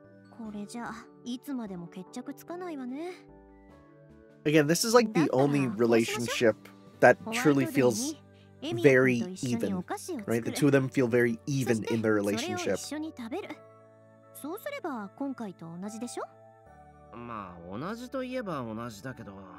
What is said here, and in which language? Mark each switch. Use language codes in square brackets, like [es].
[ja] これじゃいつまでも決着つかないわね。 [en] Again, this is like the only relationship that truly feels very even, right? The two of them feel very even in their relationship. [ja] そうすれば今回と同じでしょ? まあ、同じといえば同じだけど。